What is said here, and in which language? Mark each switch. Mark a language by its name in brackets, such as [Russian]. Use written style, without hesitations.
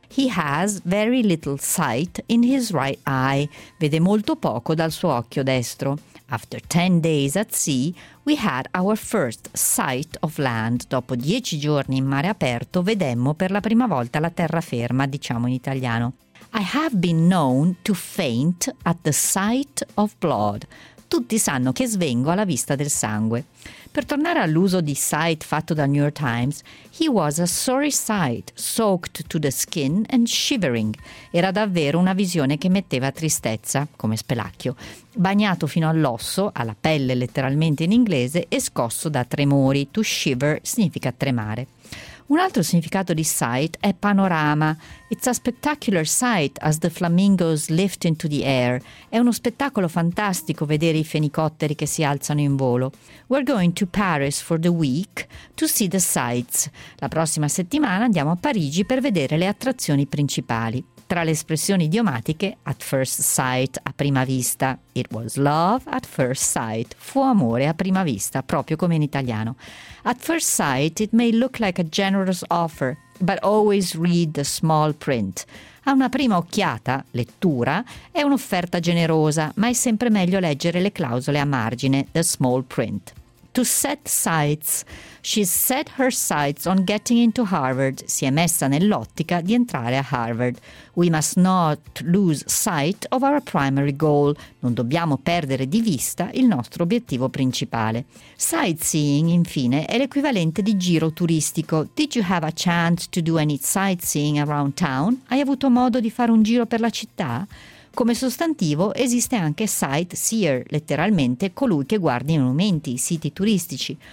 [English] He has very little sight in his right eye, [Italian] vede molto poco dal suo occhio destro. [English] After 10 days at sea, we had our first sight of land. [Italian] Dopo 10 giorni in mare aperto, vedemmo per la prima volta la terraferma, diciamo in italiano. [English] I have been known to faint at the sight of blood. [Italian] Tutti sanno che svengo alla vista del sangue. Per tornare all'uso di sight fatto dal New York Times, [English] he was a sorry sight, soaked to the skin and shivering. [Italian] Era davvero una visione che metteva tristezza, come spelacchio, bagnato fino all'osso, alla pelle letteralmente in inglese, e scosso da tremori. [English] To shiver [Italian] significa tremare. Un altro significato di sight è panorama. [English] It's a spectacular sight as the flamingos lift into the air. [Italian] È uno spettacolo fantastico vedere i fenicotteri che si alzano in volo. [English] We're going to Paris for the week to see the sights. [Italian] La prossima settimana andiamo a Parigi per vedere le attrazioni principali. Tra le espressioni idiomatiche, [English] at first sight, [Italian] a prima vista. [English] It was love at first sight. [Italian] Fu amore a prima vista, proprio come in italiano. [English] At first sight, it may look like a generous offer, but always read the small print. [Italian] A una prima occhiata, lettura, è un'offerta generosa, ma è sempre meglio leggere le clausole a margine, [English] the small print. To set sights. She's set her sights on getting into Harvard. [Italian] Si è messa nell'ottica di entrare a Harvard. [English] We must not lose sight of our primary goal. [Italian] Non dobbiamo perdere di vista il nostro obiettivo principale. Sightseeing, infine, è l'equivalente di giro turistico. [English] Did you have a chance to do any sightseeing around town? [Italian] Hai avuto modo di fare un giro per la città? Come sostantivo esiste anche sightseer, letteralmente colui che guarda i monumenti, i siti turistici.